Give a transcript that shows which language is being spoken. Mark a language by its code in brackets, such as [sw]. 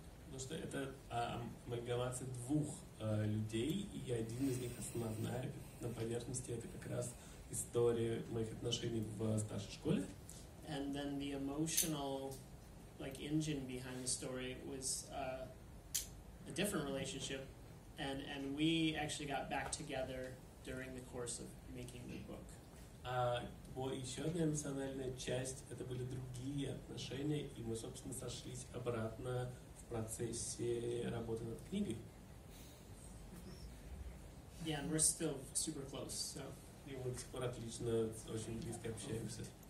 [ru] Ну что, это амальгамация двух людей, и один из них основная на поверхности, это как раз история моих отношений в старшей школе. [en] And then the emotional, engine behind the story was a different relationship, and we actually got back together during the course of making the book. [ru] Еще одна эмоциональная часть – это были другие отношения, и мы, собственно, сошлись обратно в процессе работы над книгой. [en] Yeah, and we're still super close, so. [ru] И мы до сих пор отлично, очень близко общаемся.